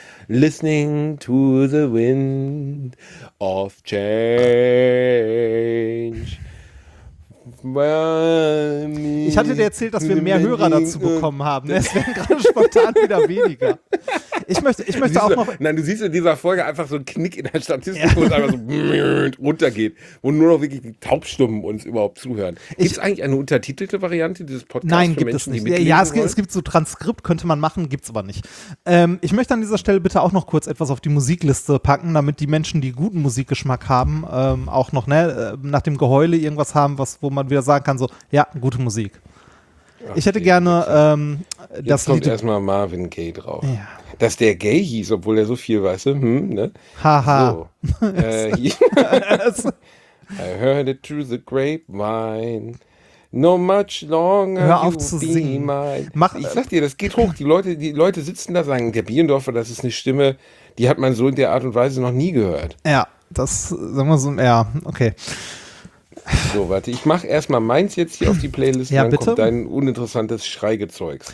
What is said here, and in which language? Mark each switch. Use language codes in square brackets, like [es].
[en] Listening to the wind of change. [de] Ich hatte dir erzählt, dass wir mehr Hörer dazu bekommen haben. Es werden gerade spontan wieder weniger. Ich möchte auch noch. Nein, du siehst in dieser Folge einfach so einen Knick in der Statistik, wo es einfach so runtergeht, wo nur noch wirklich die Taubstummen uns überhaupt zuhören. Gibt es eigentlich eine untertitelte Variante dieses Podcasts? Nein, für gibt Menschen, es nicht. Ja, es gibt so Transkript, könnte man machen, gibt es aber nicht. Ich möchte an dieser Stelle bitte auch noch kurz etwas auf die Musikliste packen, damit die Menschen, die guten Musikgeschmack haben, auch noch nach dem Geheule irgendwas haben, wo man wieder sagen kann, so, ja, gute Musik. Ich hätte gerne das Lied. Jetzt kommt erstmal Marvin Gaye drauf. Ja. Dass der Gay hieß, obwohl er so viel weiß. Haha. [en] I heard it through the grapevine. No much longer. [de] Hör auf zu singen. Ich sag dir, das geht hoch. Die Leute sitzen da, sagen, der Biendorfer, das ist eine Stimme, die hat man so in der Art und Weise noch nie gehört. Ja, das sagen wir so, ja, okay. So, warte, ich mache erstmal meins jetzt hier auf die Playlist, ja, dann bitte? Kommt dein uninteressantes Schreigezeug.